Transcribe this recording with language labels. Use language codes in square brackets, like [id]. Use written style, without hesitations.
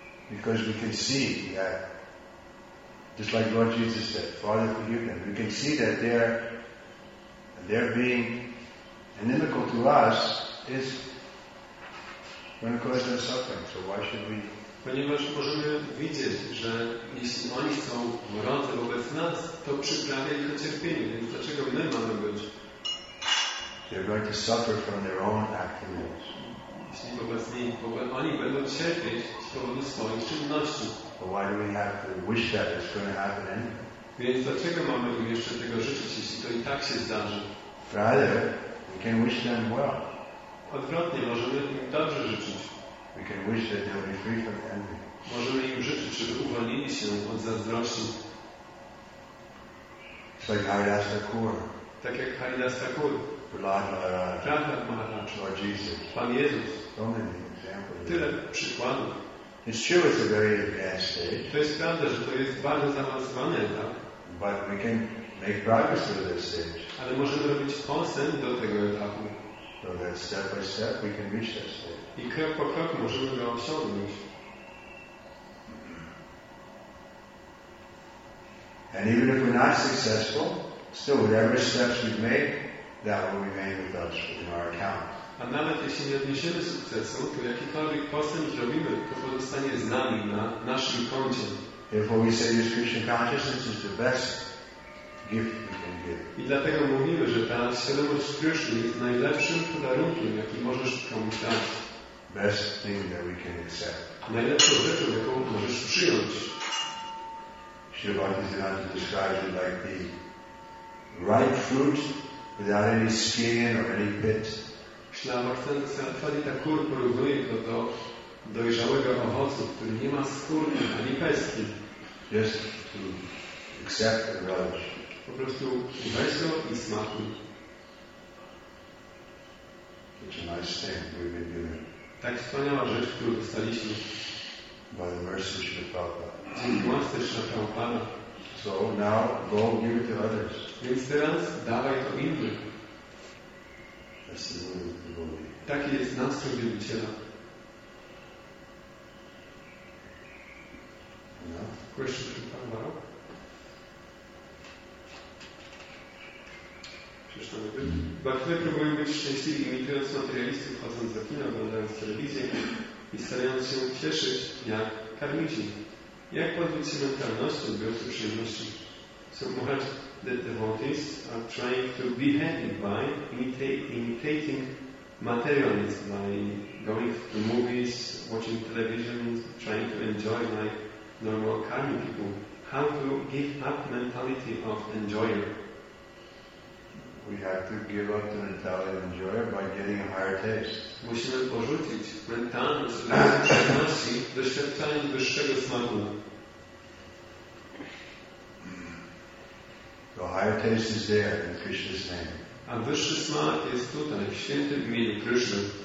[en] Because we can see that, just like Lord Jesus said, Father, forgive them. We can see that their being inimical to us is going to cause them suffering. So why should we? [pl] Ponieważ możemy widzieć, że jeśli oni są wrodzy wobec nas, to przyprawia ich do cierpienia. Więc dlaczego my mamy być? [en] They're going to suffer from their own activities. [pl] Jeśli wobec nich, oni będą cierpieć z powodu swoich czynności. [en] But why do we have to wish that it's going to happen anyway? [pl] Więc dlaczego mamy im jeszcze tego życzyć, jeśli to i tak się zdarzy? [en] Rather, we can wish them well. [pl] Odwrotnie, możemy im dobrze życzyć. [en] We can wish that they'll be free from envy. [pl] Możemy im życzyć, żeby uwolnili się od zazdrości. [en] So like Haridas Thakur. [pl] Tak jak Haridas Thakur. [en] Lord Jesus. [pl] Pan Jezus. [en] So many examples. [pl] Tyle przykładów. [en] It's true, it's a very advanced stage. [pl] To jest prawda, że to jest bardzo zaawansowany etap. [en] But we can make progress through this stage. [pl] Ale możemy robić postęp do tego etapu. [en] So that step by step we can reach that stage. [pl] I krok po kroku możemy go osiągnąć. [en] And even if we're not successful, still whatever steps we've made, that will remain with us in our account. [pl] A nawet jeśli nie odniesiemy sukcesu, to jakikolwiek postęp zrobimy, to pozostanie z nami na naszym koncie. [en] Therefore we say this Christian consciousness is the best gift we can give. [pl] I dlatego mówimy, że ta świadomość Kryszny jest najlepszym podarunkiem, jaki możesz komuś dać. [en] Best thing that we can accept. [pl] Najlepszą rzeczą, jaką możesz przyjąć. [en] Śrī Bhaktisiddhānta describes it like the ripe fruit without any skin or any pit. [pl] Śrī Thakur porównuje to do dojrzałego owocu, który nie ma skórki ani pestki. [en] Just to accept and relish. [pl] Po prostu weź go i smakuj. [en] Such a nice thing we've been doing. [pl] Tak wspaniała rzecz, którą dostaliśmy. [en] By the mercy of Śrī Prabhupāda. [pl] Dzięki łasce Śrī Prabhupāda. [en] So now go give it to others. [pl] Więc teraz dawaj to innym. [en] That's the way of the devotee. [pl] Taki jest nastrój wielbiciela. [en] Question from Panwara. [pl] Bhaktowie próbują być szczęśliwi, imitując materialistów, chodząc za kino, oglądając telewizję i starając się cieszyć jak karmici. Jak pozbyć się mentalności odbiorcy przyjemności? [en] So much the devotees are trying to be happy by imitating materialism, by going to movies, watching television, trying to enjoy like normal karmic people. How to give up mentality of enjoyer? We have to give up the mentality of enjoyer by getting a higher taste. [pl] Musimy porzucić mentalność odbiorcy przyjemności doświadczaniem wyższego smaku. [en] The higher taste is there in Krishna's name. [pl] A wyższy smak jest tutaj, w świętym imieniu Krishna.